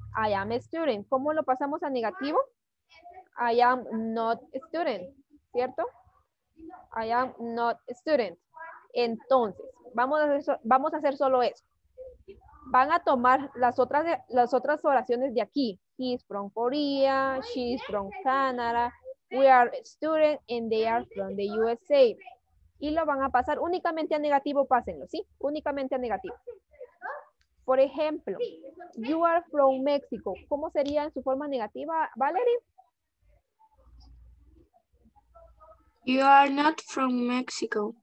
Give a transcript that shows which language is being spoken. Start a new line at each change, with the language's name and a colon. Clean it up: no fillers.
English: I am a student.
Spanish: ¿Cómo lo pasamos a negativo?
English: I am not a student,
Spanish: ¿cierto?
English: I am not a student.
Spanish: Entonces, vamos a hacer solo eso. Van a tomar las otras oraciones de aquí.
English: He is from Korea, she is from Canada, we are students and they are from the USA.
Spanish: Y lo van a pasar únicamente a negativo, pásenlo, ¿sí? Únicamente a negativo. Por ejemplo,
English: you are from Mexico.
Spanish: ¿Cómo sería en su forma negativa, Valerie?
English: You are not from Mexico.